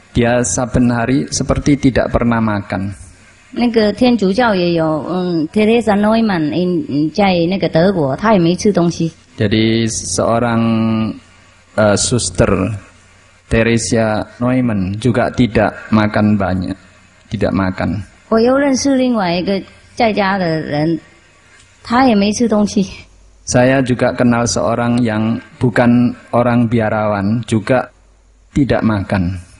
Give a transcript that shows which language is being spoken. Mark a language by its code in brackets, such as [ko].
[id] Dia saben hari seperti tidak pernah makan. [zh] 那个天主教也有，Teresa Neumann in在那个德国，他也没吃东西。 [id] Jadi seorang suster Teresa Neumann juga tidak makan banyak, tidak makan. [zh] 我又认识另外一个在家的人，他也没吃东西。 [id] Saya juga kenal seorang yang bukan orang biarawan, juga tidak makan.